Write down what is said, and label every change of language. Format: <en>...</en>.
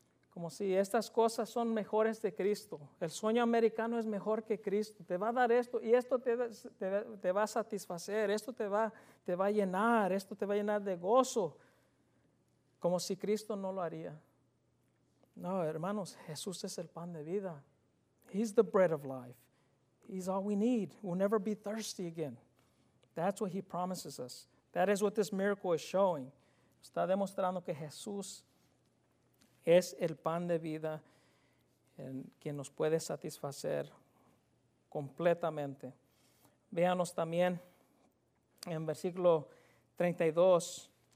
<es>Como si estas cosas son mejores de Cristo. El sueño americano es mejor que Cristo. Te va a dar esto y esto te va a satisfacer. Esto te va a llenar. Esto te va a llenar de gozo. Como si Cristo no lo haría. No, hermanos, Jesús es el pan de vida.</es> <en>He's the bread of life. He's all we need. We'll never be thirsty again. That's what he promises us. That is what this miracle is showing.</en> <es>Está demostrando que Jesús es el pan de vida quien nos puede satisfacer completamente. Véanos también en versículo 32.</es>